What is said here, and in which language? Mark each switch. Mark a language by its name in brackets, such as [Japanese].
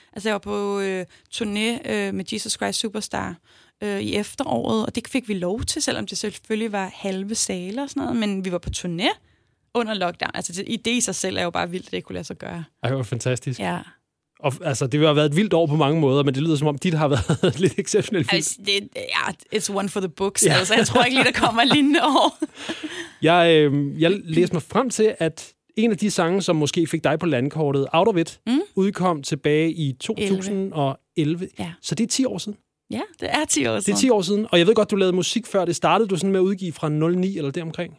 [Danish] Altså, jeg var på turné med Jesus Christ Superstar i efteråret, og det fik vi lov til, selvom det selvfølgelig var halve sale og sådan noget, men vi var på turné. under lockdown. Altså, det i sig selv er jo bare vildt, at det kunne lade sig gøre. Ej, det var fantastisk. Ja. Og altså, det har været et vildt år på mange måder, men det lyder som om, dit har været lidt exceptionelt vildt. Altså, det, ja, [English] it's one for the books. [Danish] Ja. Altså, jeg tror ikke lige, der kommer lignende år. Jeg læste mig frem til, at en af de sange, som måske fik dig på landkortet, Out of It, udkom tilbage i 2011. Ja. Så det er 10 år siden. Ja, det er 10 år siden. Det er 10 år siden, og jeg ved godt, du lavede musik før. Det startede du sådan med at udgive fra 09 eller deromkring?